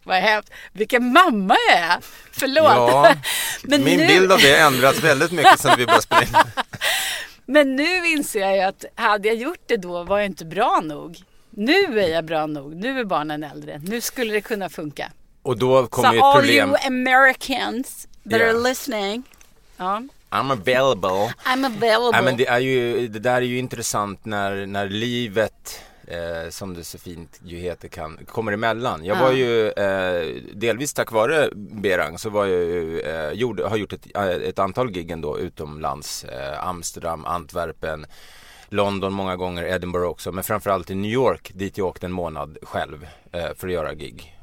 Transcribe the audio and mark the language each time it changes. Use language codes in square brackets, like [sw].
[sv] Vad hemskt. Vilken mamma jag är. Förlåt. Ja, men min nu... bild av det ändrats väldigt mycket sen vi började spela in. Men nu inser jag ju att hade jag gjort det då var jag inte bra nog. Nu är jag bra nog. Nu är barnen äldre. Nu skulle det kunna funka. Och då kommer ju ett problem. [en] All you Americans that are listening. I'm available. I'm available. I mean, [sv] det är ju, det där är ju intressant när livet som det så fint ju heter kan kommer emellan. Jag var ju delvis tack vare Berang så var jag ju har gjort ett antal gig ändå utomlands, Amsterdam, Antwerpen, London många gånger, Edinburgh också, men framförallt i New York dit jag åkte en månad själv för att göra gig.